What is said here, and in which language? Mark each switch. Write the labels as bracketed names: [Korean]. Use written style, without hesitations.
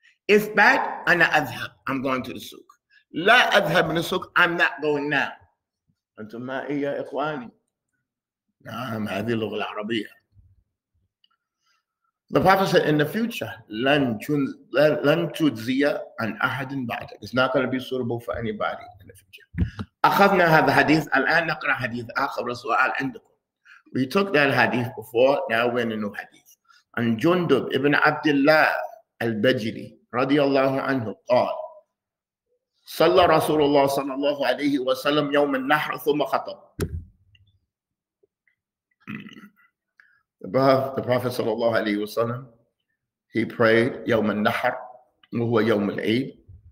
[Arabic] إثبات أنا أذهب، [English] I'm going to the souk. [Arabic] لا أذهب من السوق، [English] I'm not going now. [Arabic] أنتم معي يا إخواني. نعم هذه اللغة العربية. [English] The prophet said in the future [Arabic] لن تجزي عن أحد بعدك. [English] It's not going to be suitable for anybody in the future. [Arabic] أخذنا هذا الحديث، الآن نقرأ حديث آخر للسؤال عندكم. [English] We took that hadith before, now we're in a new hadith. [Arabic] عن جندب ابن عبد الله البجلي رضي الله عنه قال صلى رسول الله صلى الله عليه وسلم يوم النحر ثم خطب. [English] The Prophet [Arabic] صلى الله عليه وسلم [English] he prayed [Arabic] يوم النحر وهو يوم العيد.